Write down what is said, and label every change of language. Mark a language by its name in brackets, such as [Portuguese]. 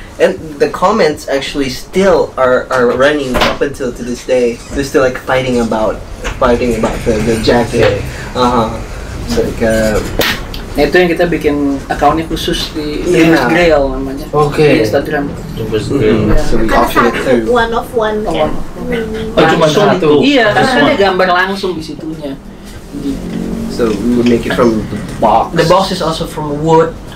[English] And the comments actually still are running up until to this day. They're still like fighting about the jacket. Okay. So like [Indonesian] itu yang kita bikin akunnya khusus di Dreambirds Grail namanya. Okay. Di Instagram. Dreambirds [English] Grail. Yeah. One of one. Oh, one. [Indonesian] Oh cuma satu. Iya, karena ada gambar langsung di situnya. [English] So we make it from the box. The box is also from wood.